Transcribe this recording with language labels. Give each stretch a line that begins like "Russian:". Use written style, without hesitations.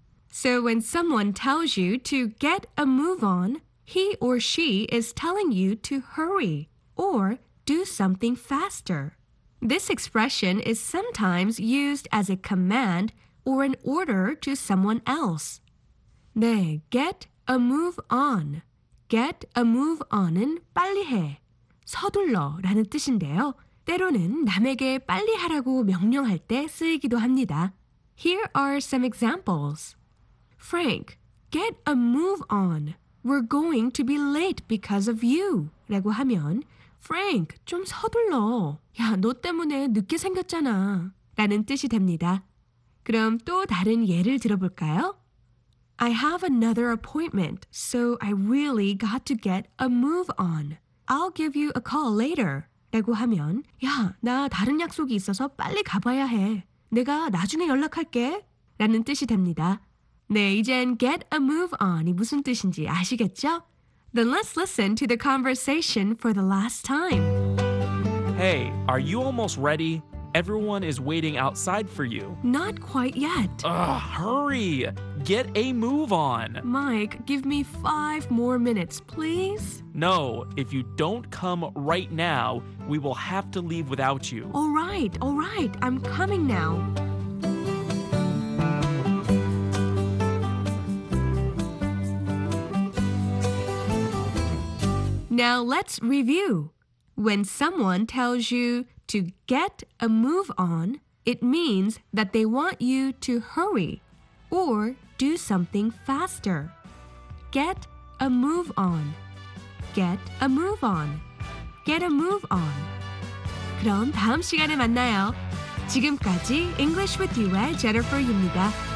English: So when someone tells you to get a move on, he or she is telling you to hurry or do something faster. This expression is sometimes used as a command or an order to someone else. 네, get a move on. Get a move on
Korean: 은 빨리 해, 서둘러 라는 뜻인데요. 때로는 남에게 빨리 하라고 명령할 때 쓰이기도 합니다.
English: Here are some examples. Frank, get a move on. We're going to be late because of you.
Korean: 라고 하면 Frank, 좀 서둘러. 야, 너 때문에 늦게 생겼잖아. 라는 뜻이 됩니다. 그럼 또 다른 예를 들어볼까요?
English: I have another appointment, so I really got to get a move on. I'll give you a call later.
Korean: 라고 하면, 야, 나 다른 약속이 있어서 빨리 가봐야 해. 내가 나중에 연락할게. 라는 뜻이 됩니다. 네, 이젠
English: get a move on
Korean: 이 무슨 뜻인지 아시겠죠?
English: Then let's listen to the conversation for the last time. Hey, are you almost ready? Everyone is waiting outside for you. Not quite yet. Hurry! Get a move on! Mike, give me 5 more minutes, please? No, if you don't come right now, we will have to leave without you. All right, I'm coming now. 네, let's review. When someone tells you to get a move on, it means that they want you to hurry or do something faster. Get a move on. Get a move on. Get a move on.
Korean: 그럼 다음 시간에 만나요. 지금까지 English with you의 Jennifer입니다.